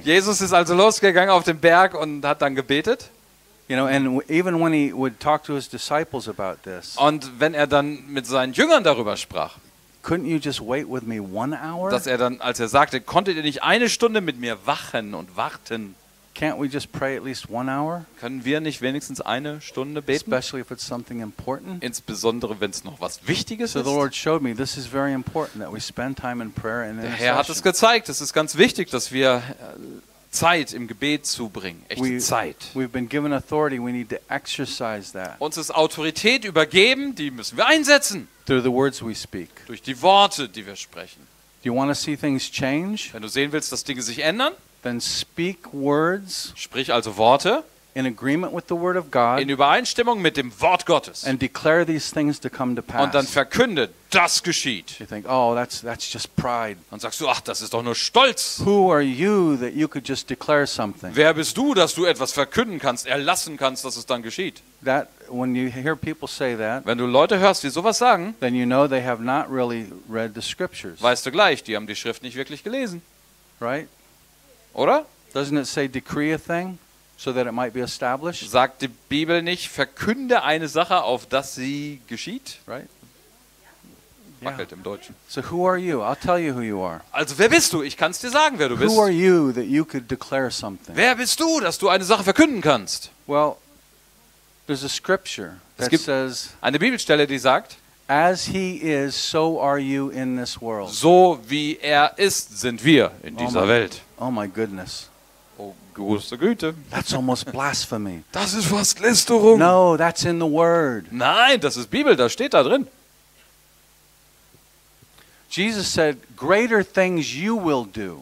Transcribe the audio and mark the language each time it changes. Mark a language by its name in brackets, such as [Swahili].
[German] Jesus ist also losgegangen auf den Berg und hat dann gebetet. [English] You know, and even when he would talk to his disciples about this. [German] Und wenn er dann mit seinen Jüngern darüber sprach. [English] Couldn't you just wait with me 1 hour? [German] Dass er dann, als er sagte, konntet ihr nicht eine Stunde mit mir wachen und warten? [English] Can't we just pray at least 1 hour? [German] Können wir nicht wenigstens eine Stunde beten? [English] Especially if it's something important. [German] Insbesondere wenn es noch was Wichtiges ist. [English] So the Lord showed me this is very important that we spend time in prayer and intercession. [German] Der Herr hat es gezeigt. Es ist ganz wichtig, dass wir Zeit im Gebet zubringen. Echte Zeit. [English] We've been given authority. We need to exercise that. [German] Uns ist Autorität übergeben. Die müssen wir einsetzen. [English] Through the words we speak. [German] Durch die Worte, die wir sprechen. [English] Do you want to see things change? [German] Wenn du sehen willst, dass Dinge sich ändern, [English] then speak words. [German] Sprich also Worte. [English] In agreement with the word of God. [German] In Übereinstimmung mit dem Wort Gottes. [English] And declare these things to come to pass. [German] Und dann verkünde, das geschieht. [English] You think, oh, that's just pride. [German] Und sagst du, ach, das ist doch nur Stolz. [English] Who are you that you could just declare something? [German] Wer bist du, dass du etwas verkünden kannst, erlassen kannst, dass es dann geschieht? [English] That when you hear people say that, [German] wenn du Leute hörst, die sowas sagen, [English] then you know they have not really read the scriptures. [German] Weißt du gleich, die haben die Schrift nicht wirklich gelesen. [English] Right? [German] Oder? [English] Doesn't it say decree a thing? So that it might be established. [German] Sagt die Bibel nicht, verkünde eine Sache, auf dass sie geschieht? [English] Right? [German] Wackelt im Deutschen. [English] So who are you? I'll tell you who you are. [German] Also wer bist du? Ich kann es dir sagen, wer du bist. [English] Who are you that you could declare something? [German] Wer bist du, dass du eine Sache verkünden kannst? [English] Well, there's a scripture that [German] es gibt [English] says, [German] eine Bibelstelle, die sagt, [English] as he is, so are you in this world. [German] So wie er ist, sind wir in dieser Welt. [English] Oh my goodness. [German] Große Güte. [English] That's almost blasphemy. [German] Das ist fast Lästerung. [English] No, that's in the word. [German] Nein, das ist Bibel, das steht da drin. [English] Jesus said, greater things you will do.